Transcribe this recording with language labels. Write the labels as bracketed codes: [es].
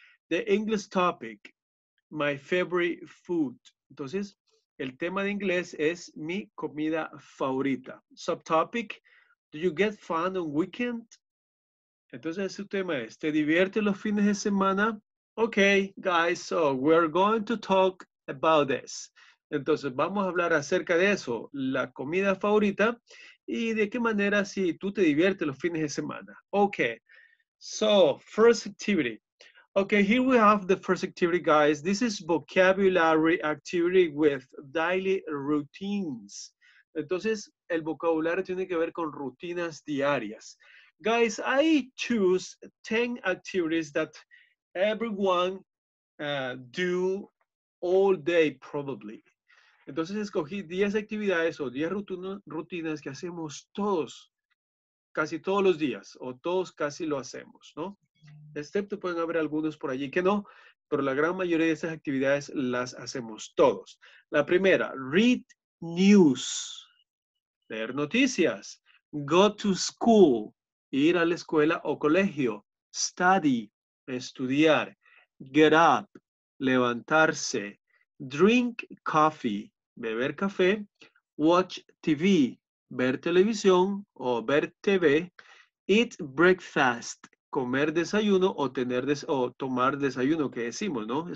[en] The English topic, my favorite food. [es] Entonces, el tema de inglés es mi comida favorita. [en] Subtopic, do you get fun on weekend? [es] Entonces, su tema es, ¿te diviertes los fines de semana? [en] Okay, guys, so we're going to talk about this. [es] Entonces, vamos a hablar acerca de eso, la comida favorita y de qué manera si tú te diviertes los fines de semana. [en] Okay, so first activity. Okay, here we have the first activity, guys. This is vocabulary activity with daily routines. [es] Entonces, el vocabulario tiene que ver con rutinas diarias. [en] Guys, I choose 10 activities that everyone do all day, probably. [es] Entonces, escogí 10 actividades o 10 rutinas que hacemos todos, casi todos los días, o todos casi lo hacemos, ¿no? Excepto pueden haber algunos por allí que no, pero la gran mayoría de esas actividades las hacemos todos. La primera, [en] read news, [es] leer noticias, [en] go to school, [es] ir a la escuela o colegio, [en] study, [es] estudiar, [en] get up, [es] levantarse, [en] drink coffee, [es] beber café, [en] watch TV, [es] ver televisión o ver TV, [en] eat breakfast, [es] comer desayuno o tener o tomar desayuno, que decimos, ¿no?